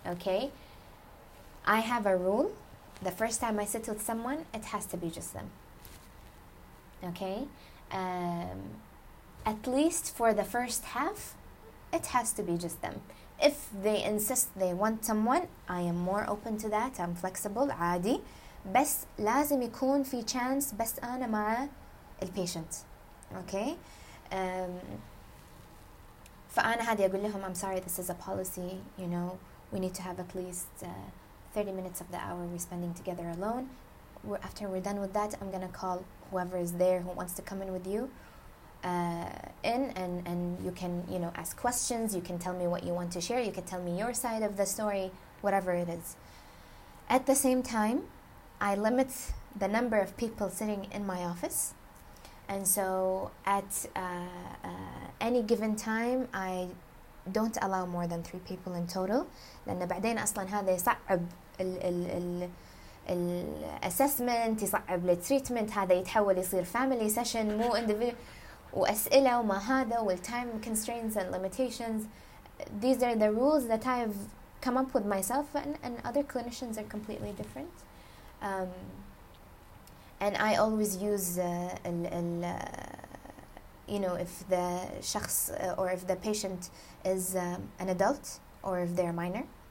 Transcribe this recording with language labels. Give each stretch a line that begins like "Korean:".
English: Okay. I have a rule. The first time I sit with someone, it has to be just them. Okay. At least for the first half, it has to be just them. If they insist they want someone, I am more open to that. I'm flexible, عادي.
Arabic: بس لازم يكون في chance بس أنا مع الpatient.
English: Okay?
Arabic: فأنا هادي أقول لهم,
English: I'm sorry, this is a policy. You know, we need to have at least 30 minutes of the hour we're spending together alone. After we're done with that, I'm going to call whoever is there who wants to come in with you in, and you can, you know, ask questions, you can tell me what you want to share, you can tell me your side of the story, whatever it is. At the same time, I limit the number of people sitting in my office. And so at any given time, I don't allow more than 3 people in total.
Arabic: لأن بعدين أصلاً هذا يصعب الـ assessment, يصعب الـ treatment, هذا يتحول يصير family session, مو individual, وأسئلة وما هذا, والـ
English: time constraints and limitations. These are the rules that I've come up with myself, and other clinicians are completely different. And I always use, you know, if the شخص or if the patient is an adult or if they're a minor.